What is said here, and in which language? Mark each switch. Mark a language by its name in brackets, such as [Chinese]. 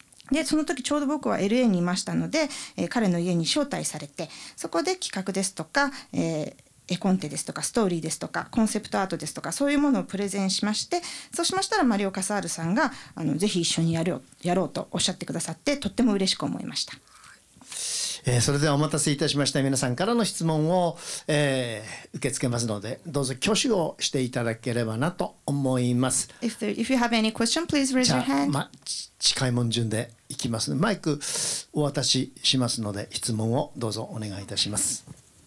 [Japanese] でその時ちょうど僕は LA にいましたので、彼の家に招待されて、そこで企画ですとか、絵コンテですとかストーリーですとかコンセプトアートですとか、そういうものをプレゼンしまして、そうしましたらマリオ・カサールさんがぜひ一緒にやろうとおっしゃってくださって、とっても嬉しく思いました。それではお待たせいたしました。皆さんからの質問を、受け付けますので、どうぞ挙手をしていただければなと思います。 [English] if you have any question, please raise your hand. [Japanese] 近いもん順でいきます。マイクお渡ししますので、質問をどうぞお願いいたします。